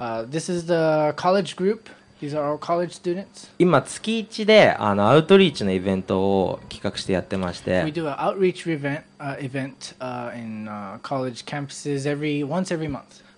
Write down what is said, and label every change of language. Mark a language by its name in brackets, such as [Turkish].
[English] This is the college group. These are our college students. [Japanese] 今月一でアウトリーチのイベントを企画してやってまして。 [English] We do an outreach event in college campuses once every month.